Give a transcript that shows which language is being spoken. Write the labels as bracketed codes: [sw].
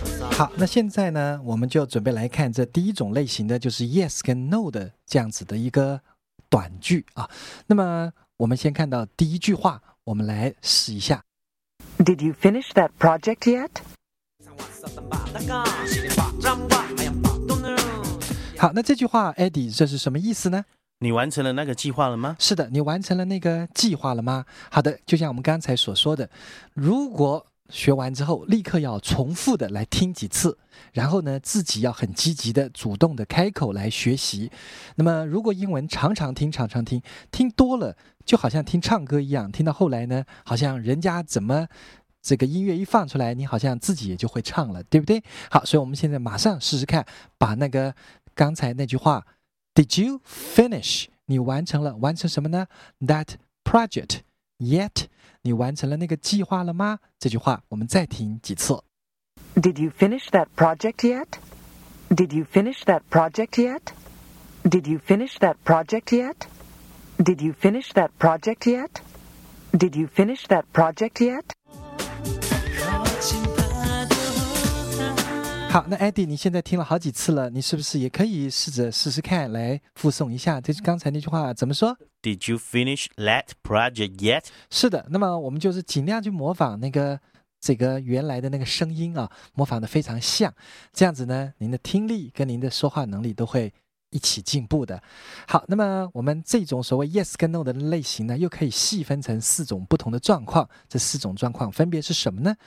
[zh] 好，那现在呢我们就准备来看这第一种类型的，就是 yes 跟 no 的这样子的一个短句啊。那么我们先看到第一句话，我们来试一下。 [en] Did you finish that project yet? [zh] 好，那这句话 Eddie 这是什么意思呢？你完成了那个计划了吗？是的，你完成了那个计划了吗？好的，就像我们刚才所说的，如果学完之后立刻要重复的来听几次，然后呢自己要很积极的主动的开口来学习。那么如果英文常常听常常听，听多了就好像听唱歌一样，听到后来呢好像人家怎么这个音乐一放出来，你好像自己也就会唱了，对不对？好，所以我们现在马上试试看，把那个刚才那句话 [en] Did you finish, [zh] 你完成了，完成什么呢？ [en] That project yet, [zh] 你完成了那个计划了吗？这句话我们再听几次。 [en] Did you finish that project yet? Did you finish that project yet? Did you finish that project yet? Did you finish that project yet? Did you finish that project yet? [zh] 好，那 Eddie 你现在听了好几次了，你是不是也可以试着试试看来复诵一下这是刚才那句话怎么说？ [en] Did you finish that project yet? [zh] 是的，那么我们就是尽量去模仿那个这个原来的那个声音啊，模仿的非常像，这样子呢您的听力跟您的说话能力都会一起进步的。好，那么我们这种所谓 yes 跟 no 的类型呢又可以细分成四种不同的状况，这四种状况分别是什么呢？